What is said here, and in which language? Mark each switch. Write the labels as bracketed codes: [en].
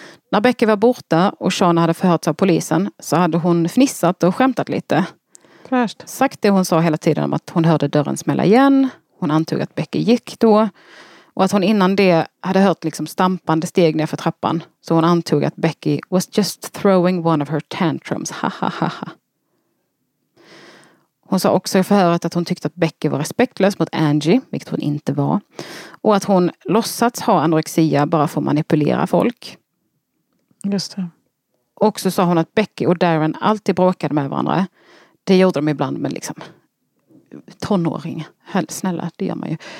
[sv] När Becky var borta och Shauna hade förhört sig av polisen, så hade hon fnissat och skämtat lite. Fräscht. Sagt det hon sa hela tiden om att hon hörde dörren smälla igen. Hon antog att Becky gick då. Och att hon innan det hade hört liksom stampande steg ner för trappan. Så hon antog att Becky [en] was just throwing one of her tantrums. [sv] Hon sa också i förhöret att hon tyckte att Becky var respektlös mot Angie, vilket hon inte var. Och att hon låtsats ha anorexia bara för att manipulera folk. Just det. Och så sa hon att Becky och Darren alltid bråkade med varandra. Det gjorde de ibland, men liksom tonåring. Snälla, det gör man ju.